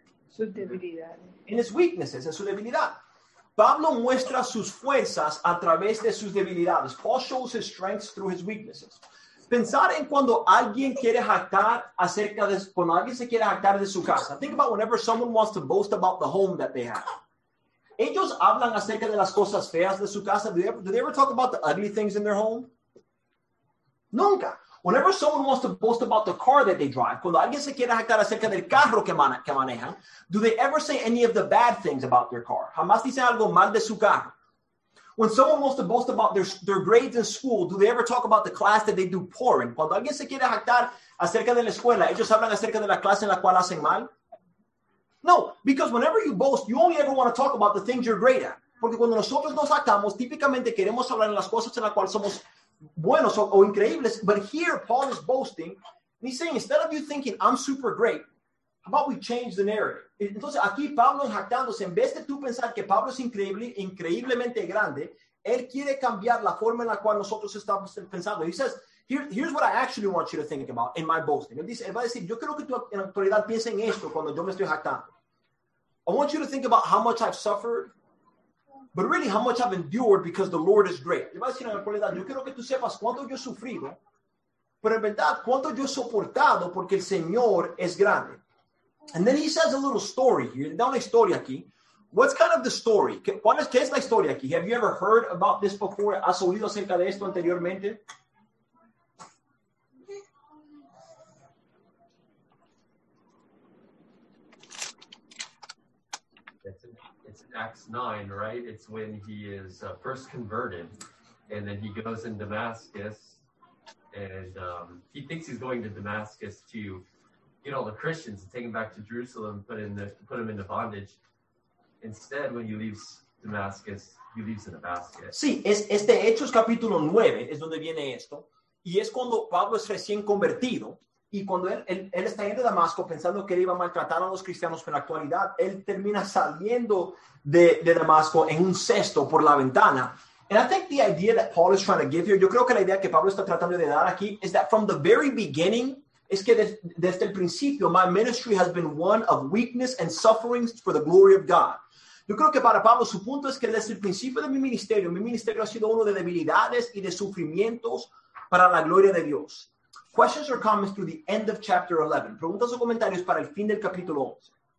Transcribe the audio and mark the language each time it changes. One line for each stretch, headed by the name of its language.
Spanish: Su debilidad.
English: In his weaknesses,
Spanish: en su debilidad. Pablo muestra sus fuerzas a través de sus debilidades.
English: Paul shows his strengths through his weaknesses.
Spanish: Pensar en cuando alguien quiere jactar acerca de, cuando alguien se quiere jactar de su casa.
English: Think about whenever someone wants to boast about the home that they have.
Spanish: Ellos hablan acerca de las cosas feas de su casa.
English: Do they ever talk about the ugly things in their home?
Spanish: Nunca.
English: Whenever someone wants to boast about the car that they drive,
Spanish: cuando alguien se quiere jactar acerca del carro que manejan,
English: do they ever say any of the bad things about their car?
Spanish: Jamás dicen algo mal de su carro.
English: When someone wants to boast about their grades in school, do they ever talk about the class that they do poor in?
Spanish: Cuando alguien se quiere jactar acerca de la escuela, ellos hablan acerca de la clase en la cual hacen mal?
English: No, because whenever you boast, you only ever want to talk about the things you're great at.
Spanish: Porque cuando nosotros nos jactamos, típicamente queremos hablar en las cosas en las cuales somos buenos o increíbles.
English: But here, Paul is boasting, and he's saying, instead of you thinking, I'm super great, how about we change the narrative?
Spanish: Entonces, aquí Pablo jactándose, en vez de tú pensar que Pablo es increíblemente grande, él quiere cambiar la forma en la cual nosotros estamos pensando.
English: He says, here's what I actually want you to think about in my boasting.
Spanish: Él va a decir, yo quiero que tú en autoridad pienses en esto cuando yo me estoy jactando.
English: I want you to think about how much I've suffered, but really how much I've endured because the Lord is great.
Spanish: Él va a decir en autoridad, yo quiero que tú sepas cuánto yo he sufrido, pero en verdad, cuánto yo he soportado porque el Señor es grande.
English: And then he says a little story here.
Spanish: Da una historia aquí.
English: What's kind of the story?
Spanish: ¿Qué es la historia aquí?
English: Have you ever heard about this before?
Spanish: ¿Has oído acerca de esto anteriormente?
English: It's in Acts 9, right? It's when he is first converted. And then he goes in Damascus. And he thinks he's going to Damascus to get all the Christians and take them back to Jerusalem, put them into bondage. Instead, when he leaves Damascus, he leaves in a basket.
Spanish: Sí, este Hechos capítulo 9 es donde viene esto. Y es cuando Pablo es recién convertido. Y cuando él está yendo a Damasco pensando que él iba a maltratar a los cristianos, pero en la actualidad, él termina saliendo de Damasco en un cesto por la ventana.
English: And I think the idea that Paul is trying to give here,
Spanish: yo creo que la idea que Pablo está tratando de dar aquí,
English: is that from the very beginning,
Spanish: es que desde el principio,
English: my ministry has been one of weakness and sufferings for the glory of God.
Spanish: Yo creo que para Pablo, su punto es que desde el principio de mi ministerio ha sido uno de debilidades y de sufrimientos para la gloria de Dios.
English: Questions or comments through the end of chapter 11.
Spanish: Preguntas o comentarios para el fin del capítulo 11.